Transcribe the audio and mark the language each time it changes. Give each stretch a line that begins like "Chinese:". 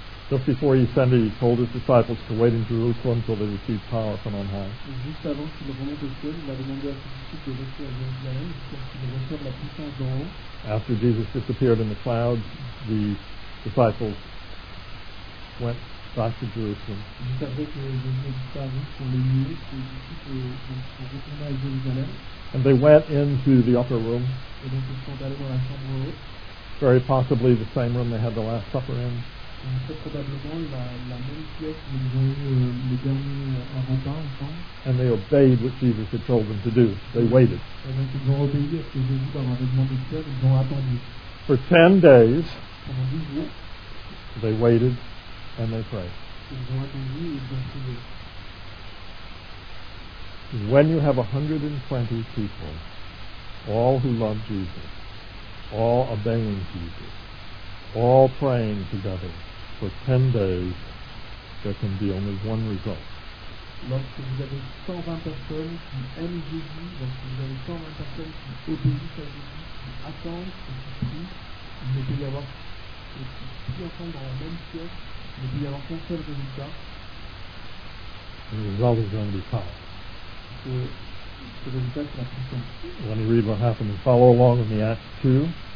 English: Just before he ascended, he told his disciples to wait in Jerusalem until they received power from on high.
French: Juste avant qu'il remonte au ciel, il a demandé à ses disciples de rester à Jérusalem pour qu'ils reçoivent la puissance d'en haut.
English: After Jesus disappeared in the clouds, the disciples went back to Jerusalem.
French: Juste après que Jésus ait disparu sur les nuées, ses disciples ont retourné à Jérusalem.
English: And they went into the upper room.
French: Et donc ils sont allés dans la chambre haute.
English: Very possibly the same room they had the Last Supper in.
French: C'est probablement la même pièce où ils ont eu les derniers repas ensemble.
English: And they obeyed what Jesus had told them to do. They waited.
French: Et donc ils ont obéi à ce que Jésus leur avait demandé de faire. Ils ont attendu.
English: For 10 days.
French: Pendant 10 jours.
English: They waited and they prayed.
French: Ils ont attendu et ils ont prié.
English: When you have 120 people, all who love Jesus, all obeying Jesus, all praying together for 10 days, there can be only one result.
French: Lorsque vous avez 120 personnes qui aiment Jésus, lorsque vous avez 120 personnes qui obéissent à Jésus, qui attendent, qui prient, il ne peut y avoir qui prient ensemble dans la même pièce, il ne peut y avoir qu'un seul résultat.
English: The result is going to be power.
French: Ce résultat sera puissant.
English: Let me read what happened and follow along with me, Acts 2.